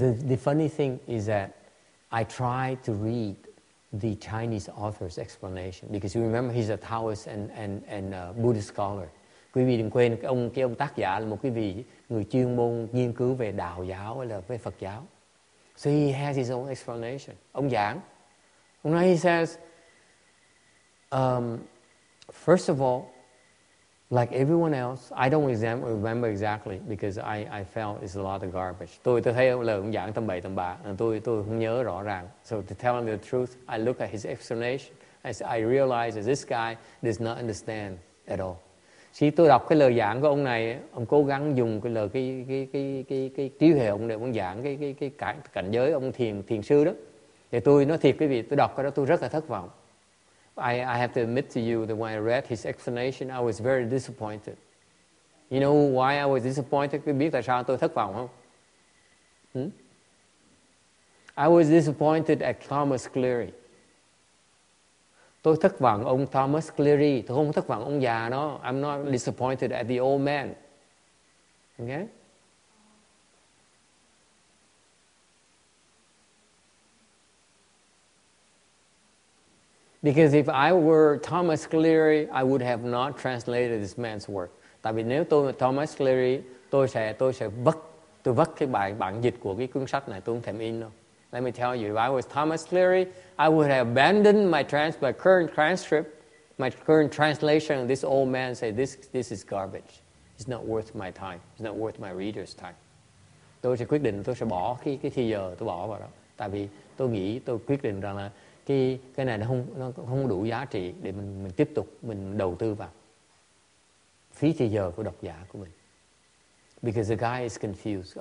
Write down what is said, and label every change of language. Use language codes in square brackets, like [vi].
[en] The funny thing is that I try to read the Chinese author's explanation because you remember he's a Taoist and Buddhist scholar. [vi] Quý vị đừng quên cái ông tác giả là một cái vị người chuyên môn nghiên cứu về đạo giáo hay là về Phật giáo. [en] So he has his own explanation. [vi] Ông giảng. Hôm nay [en] he says, First of all, like everyone else, I don't remember exactly because I felt it's a lot of garbage. [vi] Tôi thấy ông lời ông giảng tầm bậy tầm bạ, tôi không nhớ rõ ràng. [en] So to tell him the truth, I look at his explanation. I say, I realize that this guy does not understand at all. [vi] Khi tôi đọc cái lời giảng của ông này, ông cố gắng dùng cái lời cái trí huệ ông để ông giảng cái cảnh giới ông thiền sư đó. Thì tôi nói thiệt quý vị, tôi đọc cái đó tôi rất là thất vọng. [en] I have to admit to you that when I read his explanation, I was very disappointed. You know why I was disappointed? [vi] Quý vị biết tại sao tôi thất vọng không? [en] I was disappointed at Thomas Cleary. [vi] Tôi thất vọng ông Thomas Cleary, tôi không thất vọng ông già đó. [en] I'm not disappointed at the old man. Okay? Because if I were Thomas Cleary, I would have not translated this man's work. [vi] Tại vì nếu tôi là Thomas Cleary, tôi sẽ vứt cái bản dịch của cái cuốn sách này, tôi không thèm in đâu. [en] Let me tell you, if I was Thomas Cleary, I would have abandoned my current translation of this old man and say, this is garbage. It's not worth my time. It's not worth my reader's time. [vi] Tôi sẽ quyết định, tôi sẽ bỏ cái thời giờ tôi bỏ vào đó. Tại vì tôi nghĩ, tôi quyết định rằng là cái này nó không đủ giá trị để mình tiếp tục, mình đầu tư vào. Phí thời giờ của độc giả của mình. [en] Because the guy is confused.